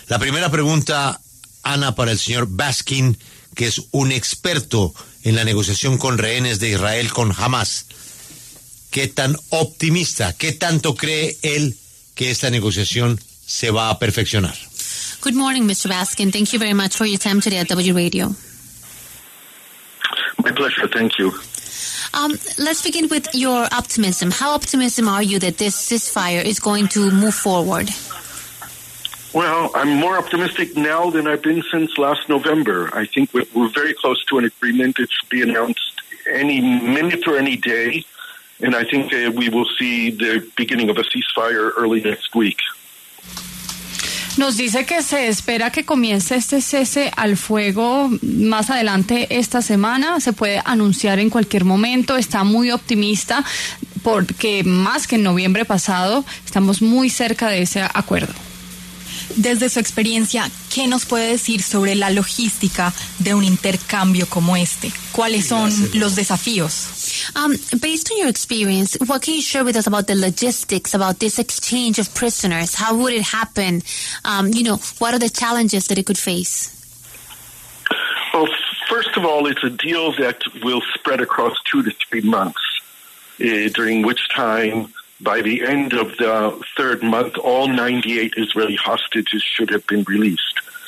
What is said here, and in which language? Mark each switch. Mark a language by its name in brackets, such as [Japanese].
[Spanish] La primera pregunta, Ana, para el señor Baskin, que es un experto en la negociación con rehenes de Israel con Hamas. ¿Qué tan optimista, qué tanto cree él que esta negociación se va a perfeccionar? [English] Good morning, Mr. Baskin. Thank you very much for your time today at W Radio. My pleasure. Thank you. Let's begin with your optimism. How optimistic are you that this ceasefire is going to move forward? Well, I'm more optimistic now than I've been since last November. I think we're very close to an agreement. It should be announced any minute or any day. And I think we will see the beginning of a ceasefire early next week. [Spanish] Nos dice que se espera que comience este cese al fuego más adelante esta semana. Se puede anunciar en cualquier momento. Está muy optimista porque más que en noviembre pasado estamos muy cerca de ese acuerdo. Desde su experiencia, ¿qué nos puede decir sobre la logística de un intercambio como este? ¿Cuáles son los desafíos? [English] Based on your experience, what can you share with us about the logistics about this exchange of prisoners? How would it happen? You know, what are the challenges that it could face? Well, first of all, it's a deal that will spread across 2 to 3 months, during which time, by the end of the third month, all 98 Israeli hostages should have been released.